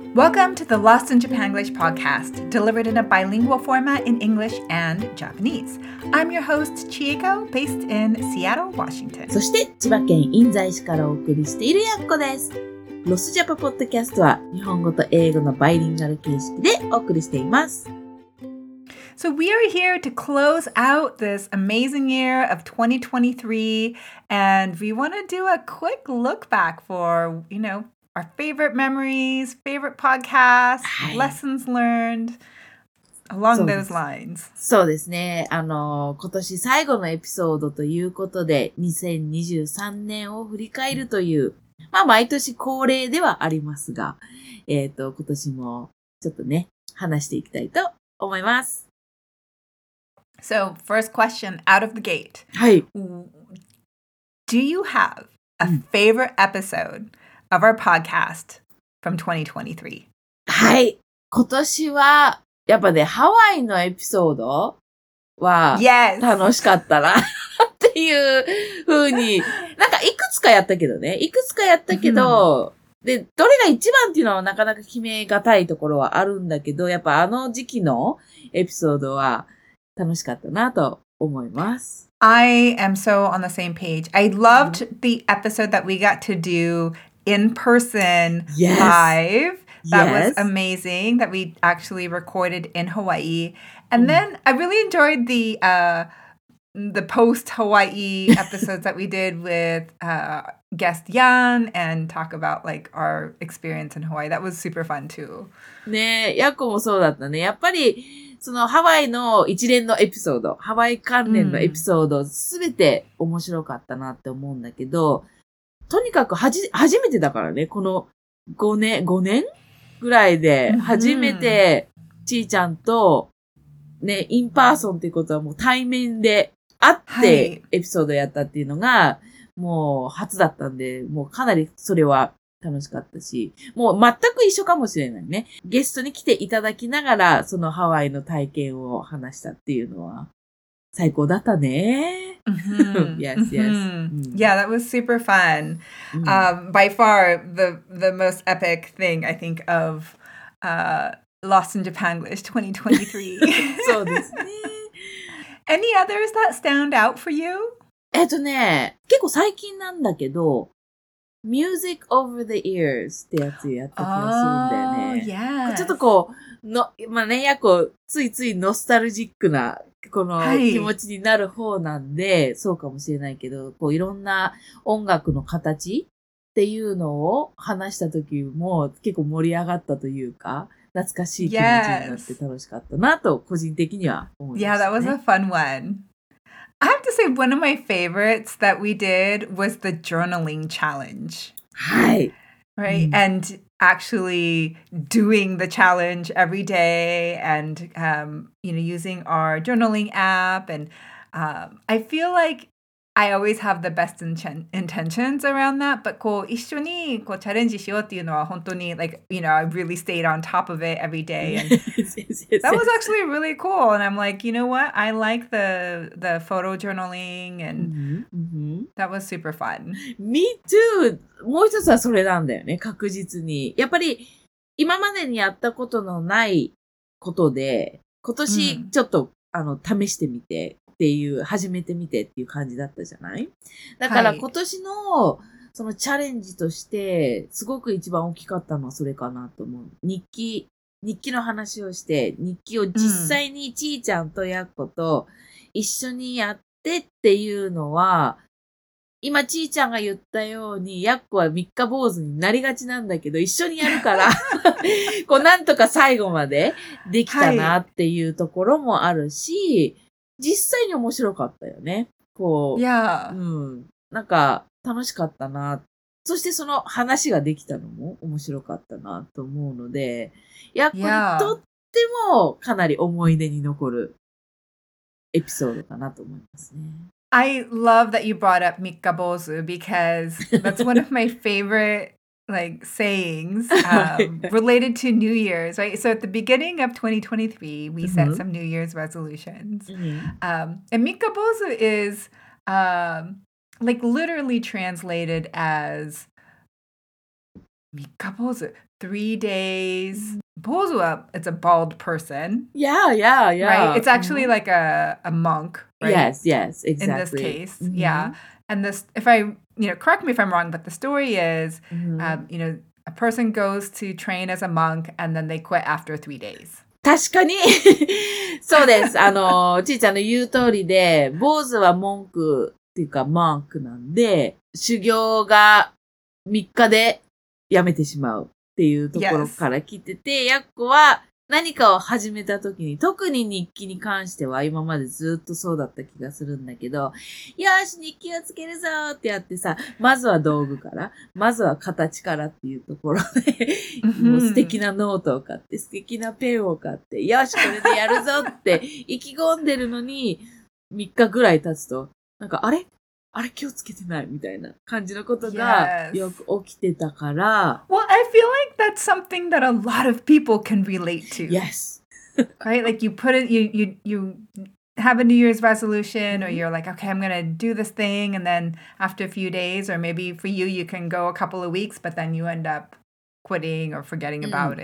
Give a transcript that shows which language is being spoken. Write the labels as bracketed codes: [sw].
[en] Welcome to the Lost in Japan English podcast, delivered in a bilingual format in English and Japanese. I'm your host, Chieko, based in Seattle, Washington. [ja] そして千葉県印西市からお送りしているやっこです。ロスジャパポッドキャストは日本語と英語のバイリンガル形式でお送りしています。 [en] So we are here to close out this amazing year of 2023, and we want to do a quick look back for, you know, our favorite memories, favorite podcasts, lessons learned, along those lines. [ja] そうですね。今年最後のエピソードということで、2023年を振り返るという、まあ毎年恒例ではありますが、今年もちょっとね、話していきたいと思います。 [en] So, first question out of the gate. [ja] はい。 [en] Do you have a favorite episode of our podcast from 2023? [ja] はい。今年は、やっぱね、ハワイのエピソードは、 [en] Yes. [ja] 楽しかったな っていう風に、なんかいくつかやったけどね、いくつかやったけど、で、どれが一番っていうのはなかなか決めがたいところはあるんだけど、やっぱあの時期のエピソードは、楽しかったなと思います。 [en] I am so on the same page. I loved the episode that we got to do in person yes. live. That yes. was amazing that we actually recorded in Hawaii. And then I really enjoyed the post-Hawaii episodes that we did with guest Yan and talk about like our experience in Hawaii. That was super fun too. [ja] ね、ヤコもそうだったね。やっぱりそのハワイの一連のエピソード、ハワイ関連のエピソードすべて面白かったなって思うんだけど、うん、とにかく初めてだからね、この5年ぐらいで初めてちーちゃんとね、うん、インパーソンっていうことはもう対面で会ってエピソードやったっていうのがもう初だったんで、もうかなりそれは楽しかったし、もう全く一緒かもしれないね。ゲストに来ていただきながら、そのハワイの体験を話したっていうのは、最高だったね。 Mm-hmm. [en] yes, yes. Mm-hmm. Yeah, that was super fun. By far, the most epic thing, I think, of Lost in Japanglish 2023. [ja] そうですね。 [en] Any others that stand out for you? [ja] 結構最近なんだけど、 [en] Music over the ears [ja] ってやつやった気がするんだよね。 [en] Oh, yes. [ja] ちょっとこう、まあ、ね、やこう、ついついノスタルジックな、この気持ちになる方なんで、はい、そうかもしれないけど、こう、いろんな音楽の形っていうのを話した時も、結構盛り上がったというか、懐かしい気持ちになって楽しかったなと、個人的には思いました、ね。 [en] Yeah, that was a fun one. I have to say, one of my favorites that we did was the journaling challenge. Hi. Right? Mm. And actually doing the challenge every day and, you know, using our journaling app. And I feel like I always have the best intentions around that. But [ja] こう一緒にこうチャレンジしようっていうのは本当に [en] like, you know, I really stayed on top of it every day. And that was actually really cool. And I'm like, you know what? I like the photo journaling and that was super fun. Me too. [ja] もう一つはそれなんだよね。確実に。やっぱり今までにやったことのないことで、今年ちょっと、試してみて。っていう、始めてみてっていう感じだったじゃない?だから今年の、はい、そのチャレンジとして、すごく一番大きかったのはそれかなと思う。日記の話をして、日記を実際にちーちゃんとやっこと一緒にやってっていうのは、今ちーちゃんが言ったように、やっこは三日坊主になりがちなんだけど、一緒にやるから、こうなんとか最後までできたなっていうところもあるし、はい実際に面白かったよね。こう、 [en] yeah. [ja] うん、なんか楽しかったな。そしてその話ができたのも面白かったなと思うので、やっぱりとってもかなり思い出に残るエピソードかなと思いますね。 [en] I love that you brought up 三日坊主 because that's one of my favorite. Like sayings related to New Year's, right? So at the beginning of 2023, we set some New Year's resolutions. And Mikabozu is like literally translated as 三日坊主, 3 days. Bozu, it's a bald person. Yeah. Right? It's actually like a monk, right? Yes, exactly. In this case, mm-hmm. yeah. And this, if I, you know, correct me if I'm wrong, but the story is, mm-hmm. You know, a person goes to train as a monk and then they quit after 3 days. [ja] 確かに。そうです。ちーちゃんの言う通りで、坊主は文句っていうか、マークなんで、修行が3日で辞めてしまうっていうところから来てて、やっこは何かを始めた時に、特に日記に関しては今までずっとそうだった気がするんだけど、よし、日記をつけるぞってやってさ、まずは道具から、まずは形からっていうところで、もう素敵なノートを買って、素敵なペンを買って、よし、これでやるぞって意気込んでるのに、3日ぐらい経つと、なんか、あれ気をつけてないみたいな感じのことがよく起きてたから。 [en] Well, I feel like that's something that a lot of people can relate to. Yes. Right? Like you put it, you have a New Year's resolution or you're like, okay, I'm going to do this thing. And then after a few days or maybe for you, you can go a couple of weeks, but then you end up quitting or forgetting about it.